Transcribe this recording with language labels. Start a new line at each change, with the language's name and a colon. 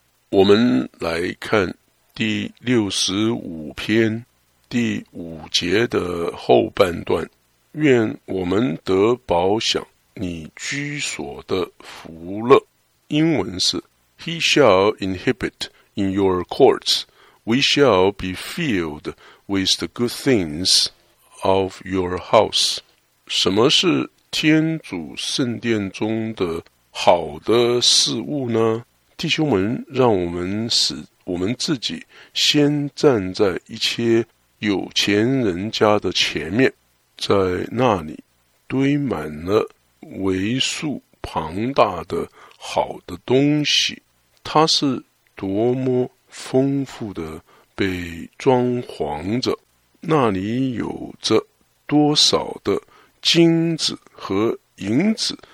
Chinese: 我们来看第65篇第五节的后半段，愿我们得饱享你居所的福乐。英文是
English: He shall inhabit in your courts. We shall be filled with the good things of your house.
Chinese: 什么是天主圣殿中的好的事物呢？弟兄们，让我们使我们自己先站在一些有钱人家的前面，在那里堆满了为数庞大的好的东西，它是多么丰富的被装潢着，那里有着多少的金子和银子